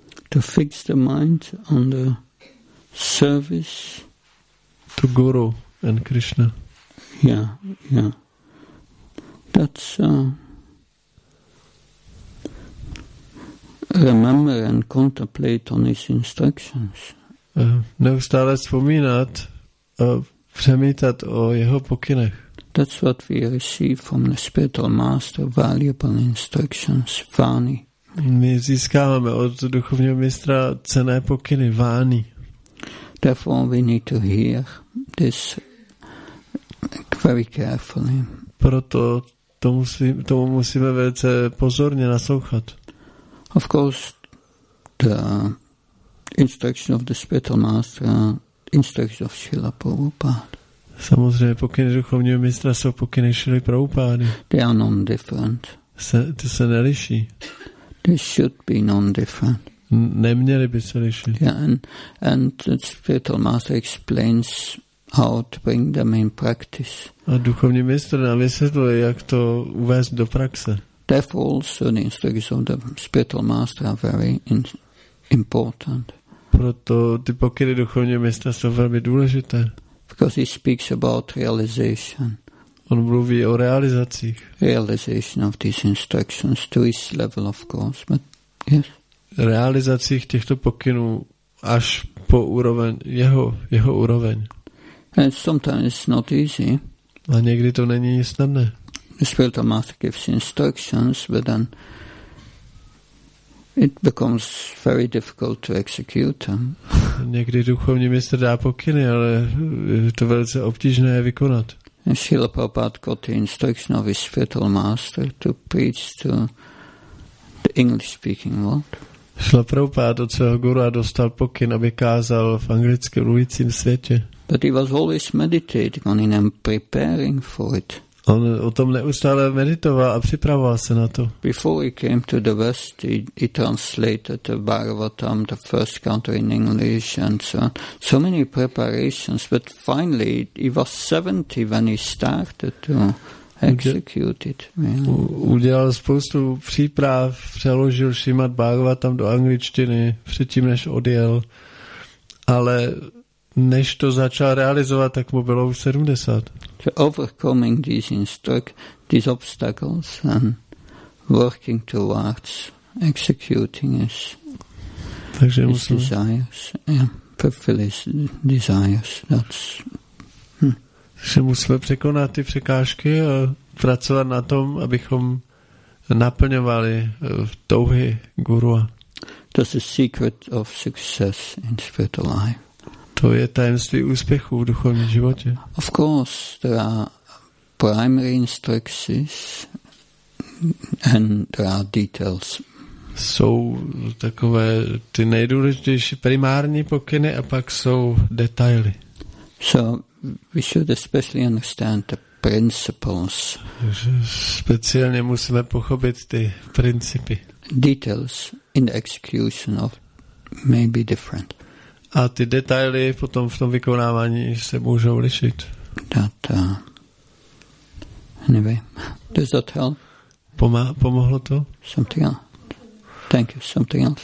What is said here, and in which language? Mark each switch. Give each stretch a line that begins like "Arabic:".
English: To fix the mind on the service to Guru and Krishna. Yeah. That's remember and contemplate on his instructions.
Czech: Neustále vzpomínat a přemítat o jeho pokynech.
English: That's what we receive from the spiritual master, valuable instructions, Vani.
Czech: My získáváme od duchovního mistra cenné pokyny, vány.
English: Therefore we need to hear this very carefully.
Czech: Proto tomu musíme velice pozorně naslouchat.
English: Of course, the instruction of the spiritual master, instruction of Srila Prabhupada.
Czech: Samozřejmě pokyny duchovního mistra jsou pokyny Srila Prabhupada.
English: They are non-different.
Czech: Ty se neliší.
English: They should be non-different.
Czech: Neměli by se lišit.
English: Yeah, and the spiritual master explains how to bring them in practice.
Czech: A duchovní mistr nám vysvětluje, jak to uvést do praxe.
English: Therefore also the instructions of the spiritual master are very important.
Czech: Proto ty pokyny duchovního mistra jsou velmi důležité.
English: Because he speaks about realization.
Czech: On mluví o realizacích.
English: Realization of these instructions to his level, of course, but yes.
Czech: Realizacích těchto pokynů až po úroveň jeho úroveň.
English: And sometimes it's not easy.
Czech: A někdy to není snadné.
English: The spiritual master gives instructions, but then it becomes very difficult to execute them.
Czech: Někdy duchovní mistr dá pokyny, ale je to velice obtížné je vykonat.
English: Srila Prabhupada got the instruction of his spiritual master to preach to the English-speaking world.
Czech: Srila Prabhupada od svého guru dostal pokyn, aby kázal v anglicky mluvícím světě.
English: But he was always meditating on it and preparing for it.
Czech: On o tom neustále meditoval a připravoval se na to.
English: Before he came to the West, he translated the Bhagavatam, the first canto in English, and so on. So many preparations, but finally he was 70 when he started to execute it.
Czech: Udělal spoustu příprav, přeložil Šrimad Bhagavatam do angličtiny předtím, než odjel, ale než to začal realizovat, tak mu bylo už 70.
English: To overcoming these obstacles and working towards executing his,
Czech: takže
English: his desires, yeah, fulfill his desires. That's,
Czech: Takže musíme překonat ty překážky a pracovat na tom, abychom naplňovali touhy gurua.
English: That's the secret of success in spiritual life.
Czech: To je tajemství úspěchu v duchovním životě.
English: Of course, there are primary instructions and there are details.
Czech: Jsou takové ty nejdůležitější primární pokyny a pak jsou detaily.
English: So we should especially understand the principles.
Czech: Takže speciálně musíme pochopit ty principy.
English: Details in the execution of may be different.
Czech: A ty detaily potom v tom vykonávání se můžou lišit.
English: That, anyway, does that help?
Czech: Pomohlo to?
English: Something else. Thank you, something else.